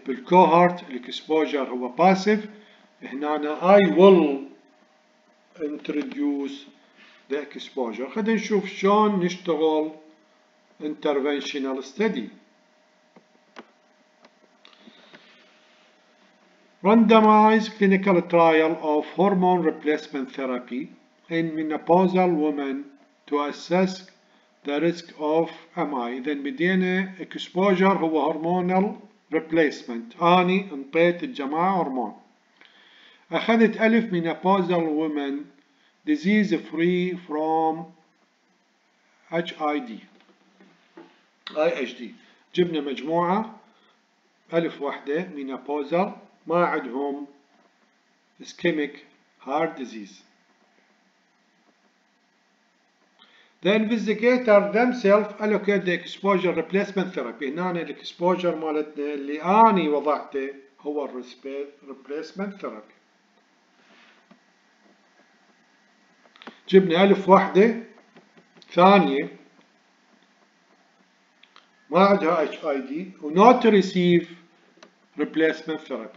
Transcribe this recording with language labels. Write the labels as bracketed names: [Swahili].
[English] بالcohort exposure هو passive. [Arabic] هنا أنا [English] I will introduce the exposure. [Arabic] خلينا نشوف شلون نشتغل [English] interventional study. Randomized clinical trial of hormone replacement therapy in menopausal women to assess the risk of MI. [Arabic] إذن بدينا exposure هو hormonal replacement. أني انطيت الجماعة هرمون. أخذت [English] 1000 menopausal women disease free from HID. IHD. [Arabic] جبنا مجموعة 1000 وحدة منابوزر ما عندهم ischemic heart disease. [English] The investigator themselves allocate the exposure replacement therapy. [Arabic] هنا الاكسبوجر مالتنا اللي أنا وضعته هو replacement therapy. جبنا 1000 وحدة ثانية ما عندها HID و [English] not receive replacement therapy.